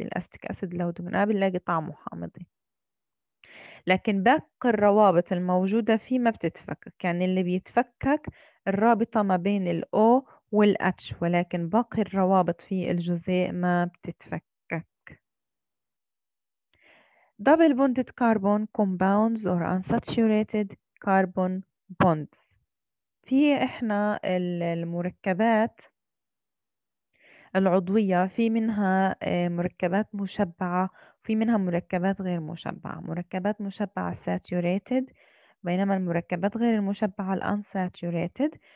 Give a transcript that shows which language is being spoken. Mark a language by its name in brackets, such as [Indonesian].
[Arabic] الأسيتيك أسيد لو دمناه بنلاقي طعمه حامضي، لكن باقي الروابط الموجودة فيه ما بتتفكك. يعني اللي بيتفكك الرابطة ما بين الـ O والـ H، ولكن باقي الروابط في الجزيء ما بتتفكك. [English] Double bonded carbon compounds or unsaturated carbon bonds. [Arabic] في إحنا المركبات العضوية في منها مركبات مشبعة، في منها مركبات غير مشبعة. مركبات مشبعة saturated، بينما المركبات غير المشبعة unsaturated.